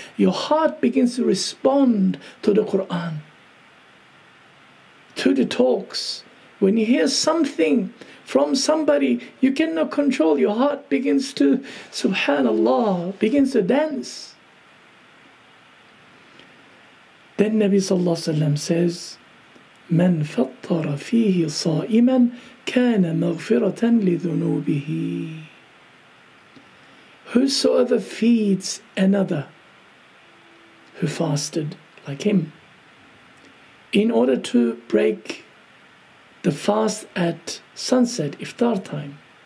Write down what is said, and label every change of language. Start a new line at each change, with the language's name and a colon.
English: Your heart begins to respond to the Quran, to the talks. When you hear something from somebody you cannot control, your heart begins to, subhanallah, begins to dance. Then Nabi sallallahu alaihi wasallam says,
Arabic: من فطر فيه صائما كان مغفرة لذنوبه.
English: Whosoever feeds another who fasted like him, in order to break the fast at sunset, iftar time,